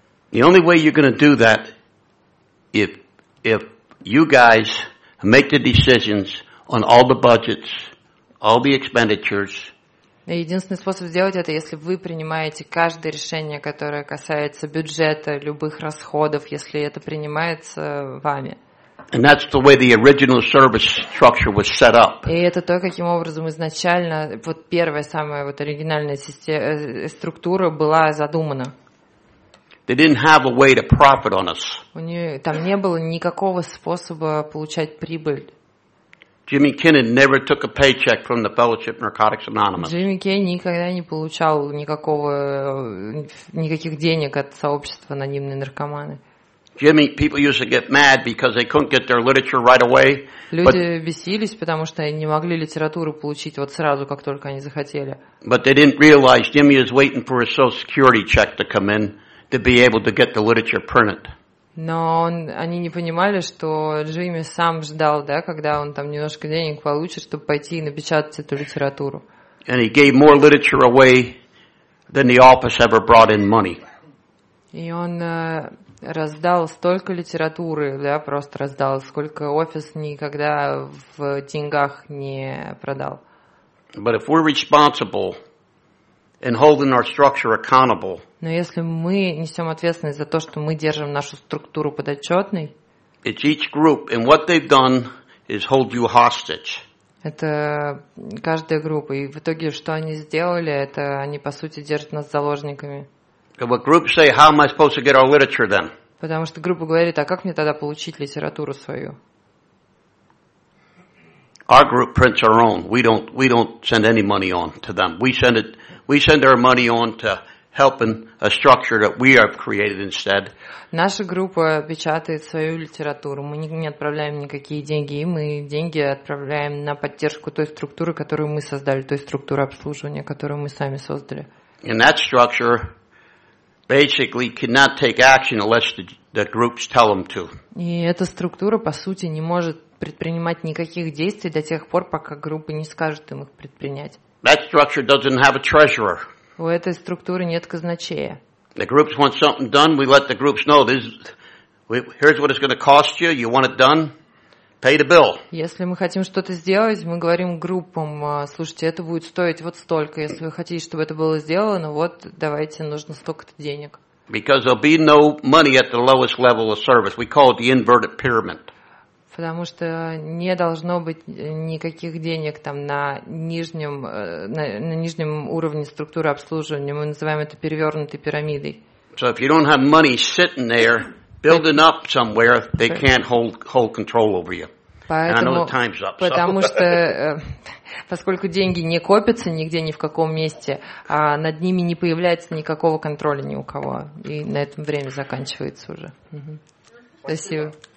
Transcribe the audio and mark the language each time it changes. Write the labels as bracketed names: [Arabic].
[English] The only way you're going to do that if you guys make the decisions on all the budgets, all the expenditures. [Russian] Единственный способ сделать это, если вы принимаете каждое решение, которое касается бюджета, любых расходов, если это принимается вами. [English] And that's the way the original service structure was set up. [Russian] И это то, каким образом изначально вот первая самая вот оригинальная структура была задумана. [English] They didn't have a way to profit on us. [Russian] У них там не было никакого способа получать прибыль. [English] Jimmy Kennan never took a paycheck from the Fellowship Narcotics Anonymous. [Russian] Джимми Кеннан никогда не получал никаких денег от сообщества анонимные наркоманы. [English] Jimmy, people used to get mad because they couldn't get their literature right away. [Russian] Люди бесились, потому что они не могли литературу получить вот сразу, как только они захотели. [English] But they didn't realize Jimmy is waiting for a Social Security check to come in to be able to get the literature printed. [Russian] Но они не понимали, что Джимми сам ждал, да, когда он там немножко денег получит, чтобы пойти и напечатать эту литературу. [English] And he gave more literature away than the office ever brought in money. [Russian] И он раздал столько литературы, да, просто раздал, сколько офис никогда в деньгах не продал. [English] But if we're responsible and holding our structure accountable. [Russian] Но если мы несем ответственность за то, что мы держим нашу структуру подотчетной, [English] it's each group, and what they've done is hold you hostage. [Russian] Это каждая группа, и в итоге, что они сделали, это они по сути держат нас заложниками. [English] But groups say, how am I supposed to get our literature then? [Russian] Потому что группа говорит, а как мне тогда получить литературу свою? [English] Our group prints our own. We don't send any money on to them. We send our money on to helping a structure that we have created instead. [Russian] Наша группа печатает свою литературу. Мы не отправляем никакие деньги, и мы деньги отправляем на поддержку той структуры, которую мы создали, той структуры обслуживания, которую мы сами создали. [English] And that structure basically cannot take action unless the groups tell them to. [Russian] И эта структура, по сути, не может предпринимать никаких действий до тех пор, пока группы не скажут им их предпринять. [English] That structure doesn't have a treasurer. [Russian] У этой структуры нет казначея. [English] The groups want something done, we let the groups know this. Here's what it's going to cost you. You want it done? Pay the bill. [Russian] Если мы хотим что-то сделать, мы говорим группам: слушайте, это будет стоить вот столько. Если вы хотите, чтобы это было сделано, вот давайте, нужно столько-то денег. [English] Because there'll be no money at the lowest level of service. We call it the inverted pyramid. [Russian] Потому что не должно быть никаких денег там на нижнем уровне структуры обслуживания. Мы называем это перевернутой пирамидой. [English] So if you don't have money sitting there, building up somewhere, they can't hold control over you. [Russian] Поэтому, [English] and I know the time's up, [Russian] потому [English] so. [Russian] Что поскольку деньги не копятся нигде, ни в каком месте, а над ними не появляется никакого контроля ни у кого. И на этом время заканчивается уже. Угу. Спасибо.